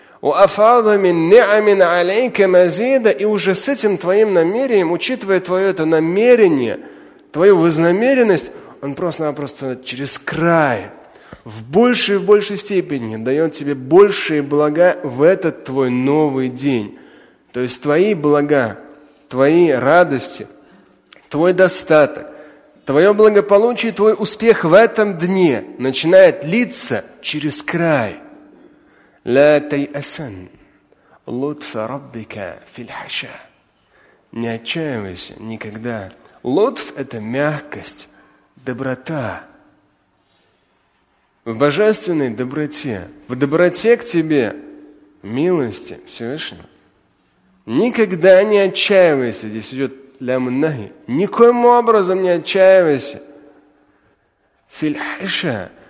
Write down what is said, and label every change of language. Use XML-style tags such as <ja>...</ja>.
<ar>وَأَفَضَ مِنْ نِعَمٍ عَلَيْكَ مَزِيدًا,</ar> <ru>и уже с этим твоим намерением, учитывая твое это намерение, твою вознамеренность, он просто-напросто через край, в большей степени дает тебе большие блага в этот твой новый день. То есть твои блага, твои радости, твой достаток, твое благополучие, твой успех в этом дне начинает литься через край.</ru> <ar>لَا تَيْأَسَنْ لُطْفَ رَبِّكَ فِي الْحَشَى,</ar> <ru>не отчаивайся никогда. Лотф – это мягкость, доброта. В божественной доброте, в доброте к тебе, милости Всевышнего. Никогда не отчаивайся. Здесь идет лямнахи. Никоим образом не отчаивайся. Фильхиша.</ru>